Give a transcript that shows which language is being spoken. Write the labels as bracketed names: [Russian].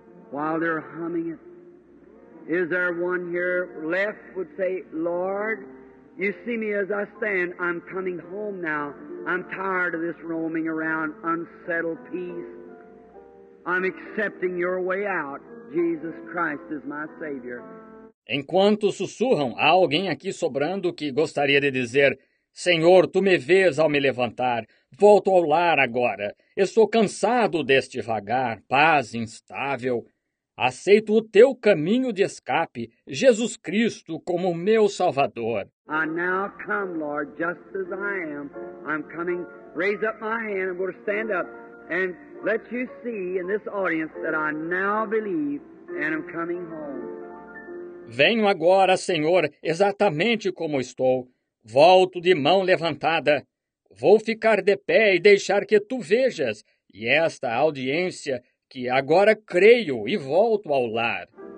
[English] While they're humming it, is there one here left would say, Lord? You see me as I stand, I'm coming home now. I'm tired of this roaming around, unsettled peace. I'm accepting your way out. Jesus Christ is my Savior. [Portuguese] Enquanto sussurram, há alguém aqui sobrando que gostaria de dizer, Senhor, tu me vês ao me levantar. Volto ao lar agora. Estou cansado deste vagar, paz instável. Aceito o teu caminho de escape, Jesus Cristo, como meu Salvador. [English] I now come, Lord, just as I am. I'm coming. Raise up my hand and we'll stand up and let you see in this audience that I now believe and I'm coming home. [Portuguese] Venho agora, Senhor, exatamente como estou. Volto de mão levantada. Vou ficar de pé e deixar que tu vejas e esta audiência que agora creio e volto ao lar.